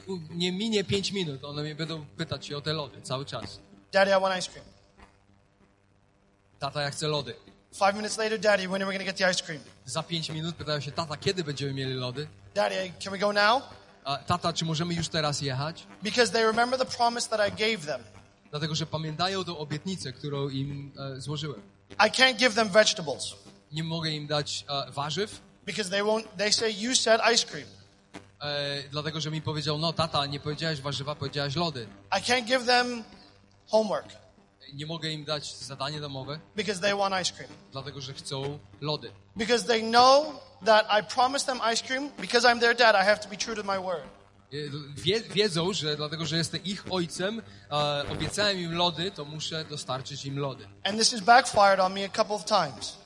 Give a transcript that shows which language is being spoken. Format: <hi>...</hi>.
<pl>Nie minie 5 minut, one mnie będą pytać się o te lody cały czas.</pl> <en>Daddy, I want ice cream.</en> <pl>Tata, ja chcę lody.</pl> <en>5 minutes later, Daddy, when are we going to get the ice cream?</en> <pl>Za 5 minut pytają się, tata, kiedy będziemy mieli lody?</pl> <en>Daddy, can we go now?</en> <pl>Tata, czy możemy już teraz jechać?</pl> <en>Because they remember the promise that I gave them.</en> <pl>Dlatego, że pamiętają tą obietnicę, którą im złożyłem.</pl> <en>I can't give them vegetables.</en> <pl>Nie mogę im dać warzyw.</pl> <en>Because they won't, they say you said ice cream.</en> <pl>Dlatego, że mi powiedział, no tata, nie powiedziałeś warzywa, powiedziałeś lody.</pl> <en>I can't give them homework.</en> <pl>Nie mogę im dać zadanie domowe.</pl> <en>Because they want ice cream.</en> <pl>Dlatego, że chcą lody.</pl> <en>Because they know that I promised them ice cream, because I'm their dad, I have to be true to my word.</en> <pl>Wiedzą, że dlatego, że jestem ich ojcem, obiecałem im lody, to muszę dostarczyć im lody.</pl> <en>And this has backfired on me a couple of times.</en>